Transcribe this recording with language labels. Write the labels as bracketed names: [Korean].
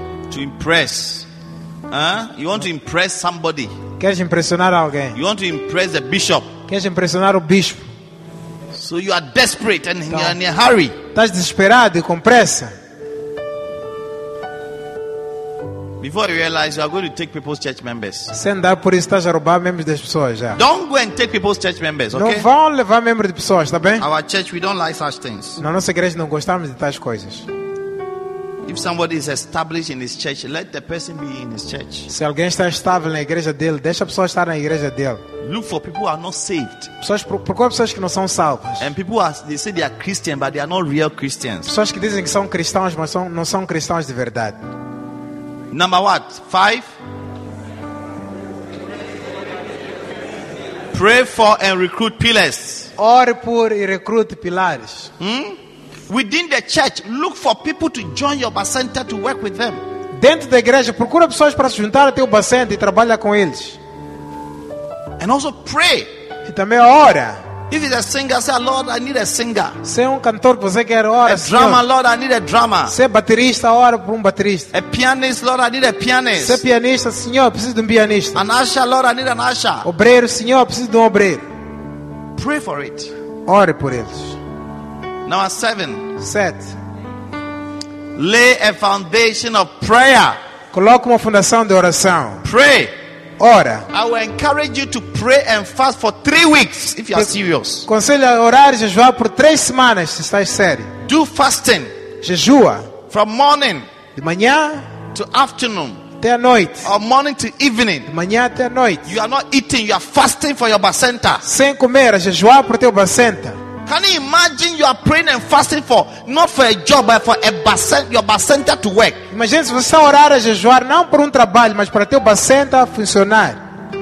[English] to impress. Huh? You want to impress somebody. [Portuguese] Queres impressionar alguém. [English] You want to impress the bishop. [Portuguese] Queres impressionar o bispo. [English] So you are desperate and [Portuguese] então, [English] in a hurry. [Portuguese] Estás desesperado e com pressa. [English] Before you realize you are going to take people's church members. [Portuguese] Sem dar por isso estás a roubar membros das pessoas já. [English] Don't go and take people's church members, okay? [Portuguese] Não vão levar membros de pessoas, está bem? [English] Our church, we don't like such things. [Portuguese] Na nossa igreja não gostamos de tais coisas. [English] If somebody is established in his church, let the person be in his church. [Portuguese] Se alguém está estável na igreja dele, deixa a pessoa estar na igreja dele. [English] Look for people who are not saved. [Portuguese] Pessoas, procure pessoas que não são salvas. [English] And people are, they say they are Christian, but they are not real Christians. [Portuguese] Pessoas que dizem que são cristãos, mas são, não são cristãos de verdade. [English] Number what? 5. Pray for and recruit pillars. [Portuguese] Ore por e recrute pilares. [English] Within the church, look for people to join your Bacenta to work with them. [Portuguese] Dentro da igreja, procura pessoas para se juntar ao teu Bacenta e trabalhar com eles. [English] And also pray. [Portuguese] E também ora. [English] If it's a singer, say, Lord, I need a singer. [Portuguese] Se é um cantor, você quer ora. [English] A drummer, Lord, I need a drummer. [Portuguese] Se é baterista, ora por um baterista. [English] A pianist, Lord, I need a pianist. [Portuguese] Se é pianista, Senhor, preciso de um pianista. [English] An usher, Lord, I need an usher. [Portuguese] Obreiro, Senhor, preciso de um obreiro. [English] Pray for it. [Portuguese] Ore por eles. [English] Number 7. Set. Lay a foundation of prayer. [Portuguese] Coloque uma fundação de oração. [English] Pray. [Portuguese] Ora. [English] I will encourage you to pray and fast for 3 weeks if you are serious. [Portuguese] Conselho a orar e jejuar por 3 semanas se estás sério. [English] Do fasting. [Portuguese] Jejua. [English] From morning. [Portuguese] De manhã. [English] To afternoon. [Portuguese] Até a noite. [English] Or morning to evening. [Portuguese] De manhã até a noite. [English] You are not eating. You are fasting for your Bacenta. [Portuguese] Sem comer, a jejuar por teu Bacenta. [English] Can you imagine you are praying and fasting for not for a job but for a Bacenta, your Bacenta to work? [Portuguese] Imagine se você está a orar, a jejuar não por trabalho, mas para teu Bacenta funcionar.